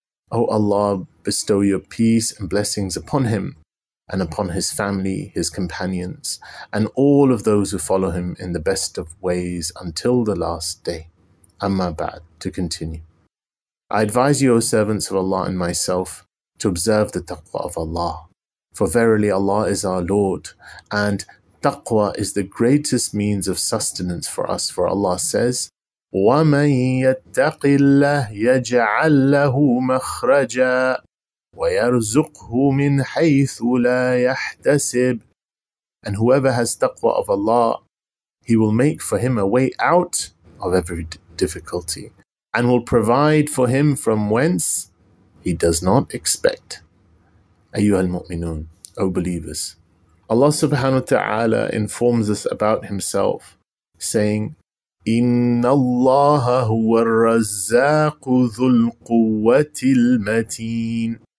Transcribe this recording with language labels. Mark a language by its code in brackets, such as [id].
[en] O Allah, bestow your peace and blessings upon him, and upon his family, his companions, and all of those who follow him in the best of ways until the last day. Amma ba'd, to continue. I advise you, O servants of Allah and myself, to observe the taqwa of Allah. For verily Allah is our Lord, and taqwa is the greatest means of sustenance for us. For Allah says, [ar] وَمَن يَتَّقِ اللَّهِ يَجْعَلْ لَهُ مَخْرَجًا وَيَرْزُقْهُ مِنْ حَيْثُ لَا يَحْتَسِبْ. [en] And whoever has taqwa of Allah, he will make for him a way out of every difficulty and will provide for him from whence he does not expect. Ayyuha al-mu'minun, O believers, Allah subhanahu wa ta'ala informs us about himself, saying, [ar] إِنَّ اللَّهَ هُوَ الرَّزَّاقُ ذُو الْقُوَّةِ الْمَتِينَ.